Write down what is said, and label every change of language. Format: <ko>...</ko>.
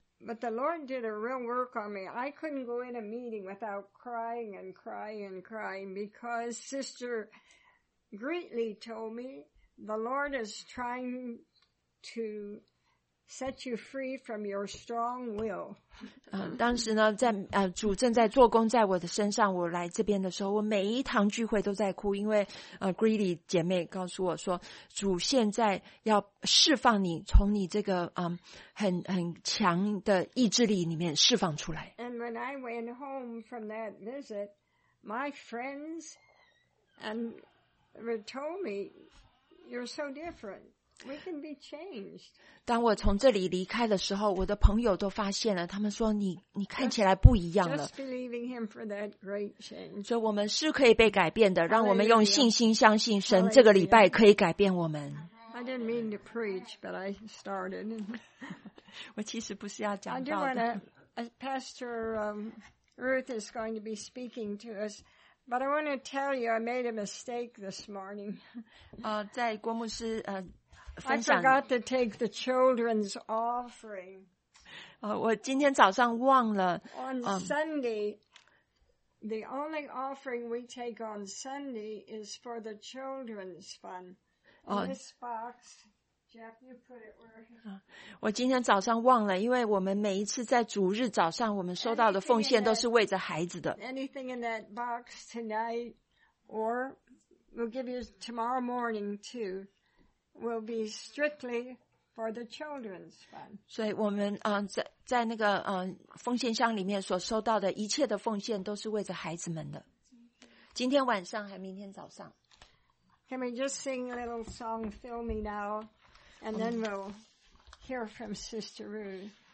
<en>But the Lord did a real work on me. I couldn't go in a meeting without crying and crying and crying because Sister Greatly told me the Lord is trying to set you free from your strong will.</en> <zh>当时呢，在主正在做工在我的身上。我来这边的时候，我每一堂聚会都在哭，因为Greatly 姐妹告诉我说，主现在要释放你，从你这个很强的意志力里面释放出来。</zh> <en>And when I went home from that visit, my friends and told me, "You're so different." We can be changed.</en> <zh>当我从这里离开的时候，我的朋友都发现了，他们说你看起来不一样了。</zh> <en>Just believing him for that great change.</en> <zh>所以我们是可以被改变的。</zh> <en>Hallelujah.</en> <zh>让我们用信心相信神这个礼拜可以改变我们。</zh> <en>I didn't mean to preach, but I started.</en> <zh>我其实不是要讲</zh> <en>到的。I do want to, Pastor Ruth is going to be speaking to us. But I want to tell you, I made a mistake this morning.</en> <zh>在郭牧师</zh> <en>I forgot to take the children's offering.</en> <zh>我今天早上忘了。</zh> <en>On Sunday, the only offering we take on Sunday is for the children's fund. This box, Jeff, you put it where.</en> <zh>我今天早上忘了，因为我们每一次在主日早上，我们收到的奉献都是为着孩子的。</zh> <en>Anything in that box tonight, or we'll give you tomorrow morning too, will be strictly. For the children's fund.</en> <zh>所以我们在那个奉献箱里面所收到的一切的奉献都是为着孩子们的。今天晚上还明天早上。</zh> <en>Can we just sing a little song, Fill Me Now, and then we'll hear from Sister Ruth.</en>